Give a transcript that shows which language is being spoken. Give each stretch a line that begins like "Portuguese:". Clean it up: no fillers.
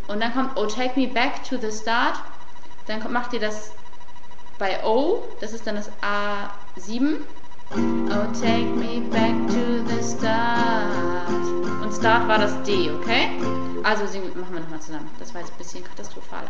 German: Und dann kommt
English: Oh Take Me Back to the Start.
German: Dann macht ihr das bei O, das ist dann das A7.
English: Oh, take me back to the start.
German: Und Start war das D, okay? Also machen wir nochmal zusammen. Das war jetzt ein bisschen katastrophal.